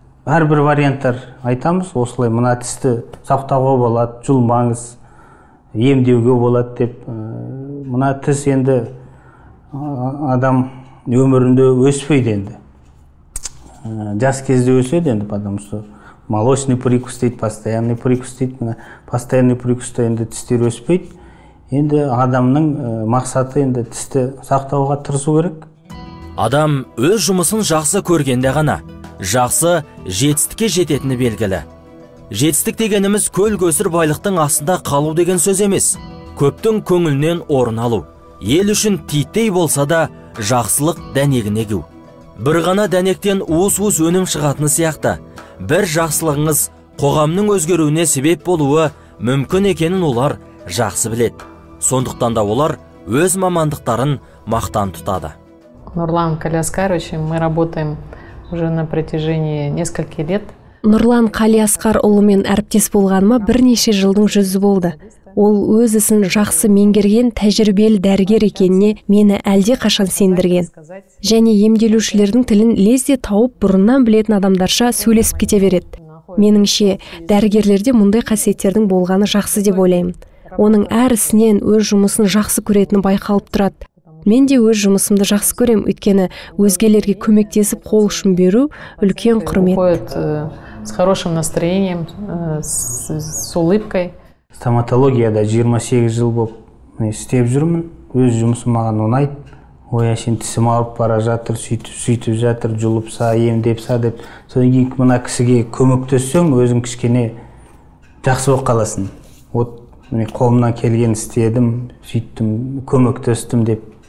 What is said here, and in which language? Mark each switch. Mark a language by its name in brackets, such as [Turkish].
[Kazakh] Әрбір варианттар айтамыз, осылай мына тісті сақтауға болады, жұлмаңыз, емдеуге болады деп. Мына тіс енді адам өмірінде өспейді енді. Жас кезде өседі енді адам. [Russian] Молочный прикус [Kazakh] дейді, [Russian] постоянный прикус [Kazakh] дейді. Мына постоянный прикуста енді тістер өспейді. Енді адамның мақсаты енді тісті сақтауға тырысу керек. Адам өз жұмысын жақсы көргенде ғана жақсы жетістікке жететіні белгілі. Жетістік дегеніміз көл көсір байлықтың астында қалу деген сөз емес. Көптің көңілінен орын алу. Ел үшін титтей болса да жақсылық дәнегіне кеу. Бір ғана дәнектен уыс-уыс өнім шығатыны сияқты. Бір жақсылығыңыз қоғамның өзгеруіне себеп болуы мүмкін екенін олар жақсы біледі. Сондықтан да олар өз мамандықтарын мақтан тұтады. [Russian] Нұрлан Калиаскарович, мы работаем уже на протяжении нескольких лет. [Kazakh] Нұрлан Қалиасқарұлымен әріптес болғаныма бірнеше жылдың жүзі болды. Ол өз ісін жақсы меңгерген тәжірибелі дәрігер екеніне мені әлде қашан сендірген. Және емделушілердің тілін лезде тауып, бұрыннан білетін адамдарша сөйлесіп кете береді. Меніңше, дәрігерлерде мұндай қасиеттердің болғаны жақсы деп ойлаймын. Оның әр ісінен өз жұмысын жақсы көретіні байқалып тұрады. Мен де өз жұмысымды жақсы көрем, өйткені өзгелерге көмектесіп қол ұшын беру үлкен құрмет. [Russian] Уходит с хорошим настроением, с улыбкой. [Kazakh] Стоматологияда 28 жыл болып істеп жүрмін. Өз жұмысым маған ұнайды. Ой, әшін тісім ауырып бара жатыр, сүйтіп жатыр, жұлып са, емдеп са деп. Содан кейін мына кісіге көмектессең, өзің кішкене жақсы болып қаласың. Вот мен қолымнан келгенін істедім, сүйттім, көмектестім деп.